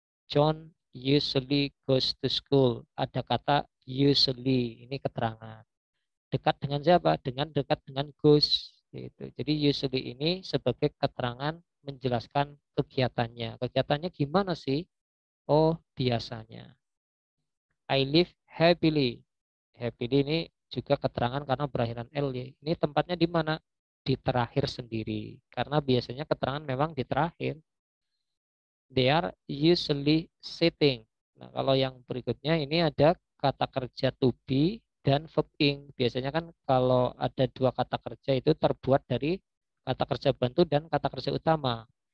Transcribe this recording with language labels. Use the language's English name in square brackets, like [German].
[English] John usually goes to school. [Indonesian] Ada kata usually. Ini keterangan. Dekat dengan siapa? Dengan dekat dengan goes. Gitu. Jadi usually ini sebagai keterangan menjelaskan kegiatannya. Kegiatannya gimana sih? Oh, biasanya. [English] I live happily. [Indonesian] Happily ini juga keterangan karena berakhiran ly. Ini tempatnya di mana? Di terakhir sendiri. Karena biasanya keterangan memang di terakhir. [English] They are usually sitting. [Indonesian] Nah, kalau yang berikutnya ini ada kata kerja to be dan verb-ing. Biasanya kan kalau ada dua kata kerja itu terbuat dari kata kerja bantu dan kata kerja utama.